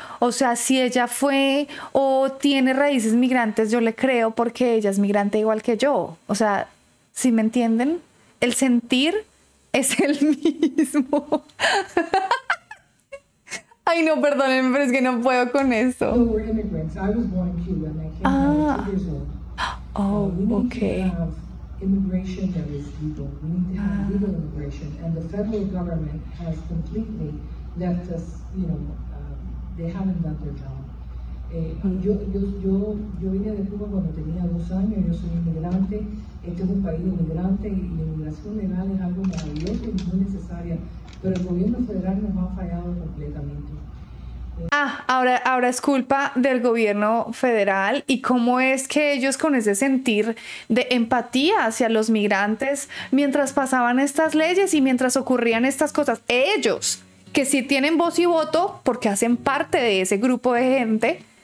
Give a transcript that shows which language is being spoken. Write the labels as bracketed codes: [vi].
[es] O sea, si ella fue o tiene raíces migrantes, yo le creo porque ella es migrante igual que yo. O sea, ¿sí me entienden? El sentir es el mismo. Ay, no, perdónenme, pero es que no puedo con eso. [en] So we're immigrants. I was born in Cuba and I came when I was 2 years old. We need to have immigration that is legal. We need to have legal immigration. And the federal government has completely left us, you know, they haven't done their job. [es] Yo vine de Cuba cuando tenía 2 años. Yo soy inmigrante. Este es un país inmigrante y la inmigración legal es algo maravilloso y muy necesaria. Pero el gobierno federal nos ha fallado completamente. Ahora es culpa del gobierno federal. ¿Y cómo es que ellos, con ese sentir de empatía hacia los migrantes, mientras pasaban estas leyes y mientras ocurrían estas cosas, ellos, que sí tienen voz y voto porque hacen parte de ese grupo de gente,